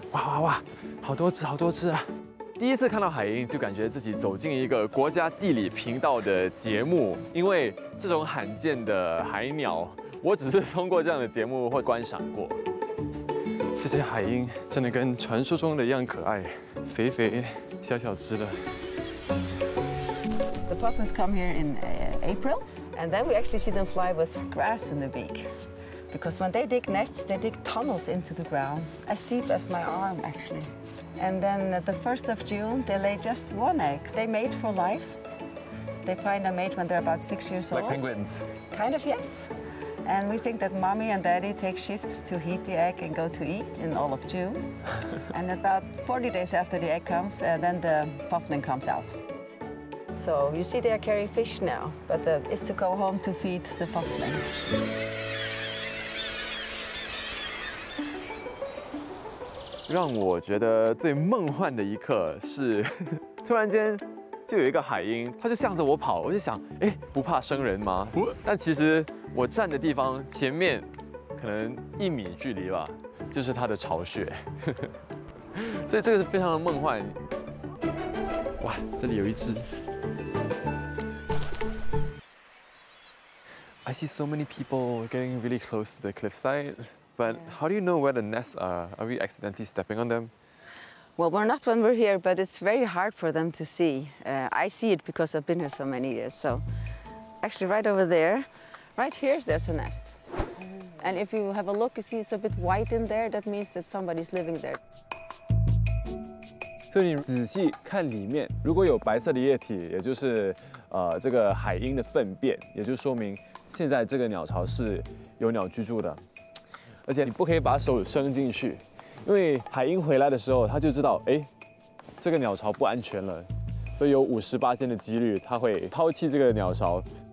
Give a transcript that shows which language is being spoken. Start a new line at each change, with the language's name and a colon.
Chinese: 哇哇哇，好多只，好多只啊！第一次看到海鹰，就感觉自己走进一个国家地理频道的节目，因为这种罕见的海鸟，我只是通过这样的节目或观赏过。这些海鹰真的跟传说中的一样可爱，肥肥小小只的。
English: The puffins come here in April, and then we actually see them fly with grass in the beak, because when they dig nests, they dig tunnels into the ground as deep as my arm, actually. And then at the 1st of June, they lay just one egg. They mate for life. They find a mate when they're about 6 years old. Like penguins. Kind of, yes. And we think that mommy and daddy take shifts to heat the egg and go to eat in all of June. And about 40 days after the egg comes, then the puffling comes out. So you see they are carrying fish now, but it's to go home to feed the puffling.
Chinese: 让我觉得最梦幻的一刻是突然间就有一个海鹰，它就向着我跑，我就想，哎，不怕生人吗？但其实我站的地方前面可能一米距离吧，就是它的巢穴，所以这个是非常的梦幻。哇，这里有一只。
English: I see so many people getting really close to the cliffside, but how do you know where the nests are? Are we accidentally stepping on them? Well, we're not when we're here, but it's very hard for them to see. I see it because I've been here so many years. So actually right over there, right here, there's a nest. And if you have a look, you see it's a bit white in there. That means that somebody's living there.
Chinese: 所以你仔细看里面，如果有白色的液体，也就是这个海鹰的粪便，也就说明现在这个鸟巢是有鸟居住的。而且你不可以把手伸进去。因为海鹰回来的时候，他就知道，哎，这个鸟巢不安全了，所以有50%的几率他会抛弃这个鸟巢。